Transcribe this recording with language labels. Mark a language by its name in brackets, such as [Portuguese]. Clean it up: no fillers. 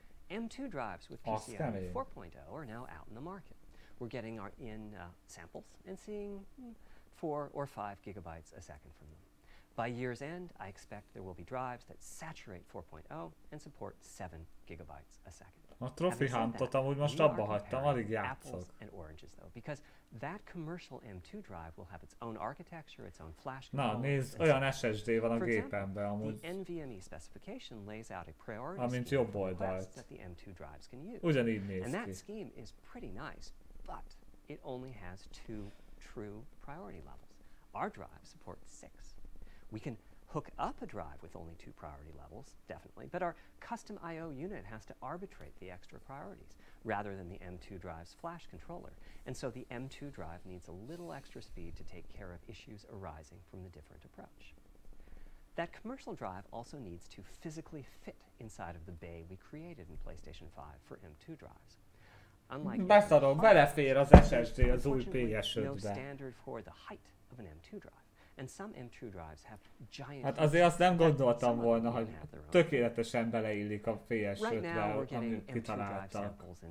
[English] M2 drives with PCIe 4.0 are now out in the market. We're getting our in samples and seeing 4 or 5 gigabytes a second from them. By year's end, I expect there will be drives that saturate 4.0 and support 7 gigabytes a second. [Hungarian] A trophy huntot amúgy most abba hagytam, alig játszok. [English] And oranges, though, because that commercial M2 drive will have its own architecture, its own flash control. [Hungarian] Na, nézd, olyan SSD van a gépemben amúgy. [English] The NVMe specification lays out a priority scheme that the M2 drives can use. [Hungarian] Ugyanígy néz ki. [English] And that scheme is pretty nice, but it only has 2 true priority levels. Our drive supports 6. We can hook up a drive with only 2 priority levels, definitely, but our custom I/O unit has to arbitrate the extra priorities rather than the M2 drive's flash controller. And so the M2 drive needs a little extra speed to take care of issues arising from the different approach. That commercial drive also needs to physically fit inside of the bay we created in PlayStation 5 for M2 drives. [Hungarian] Unlike beszarok, belefér az SSD az új PS5-be. [English] No standard for the height of an M2 drive. And some M2 drives have giant. [Hungarian] Hát azért azt nem gondoltam volna, hogy tökéletesen beleillik a PS5-be, amit kitaláltak.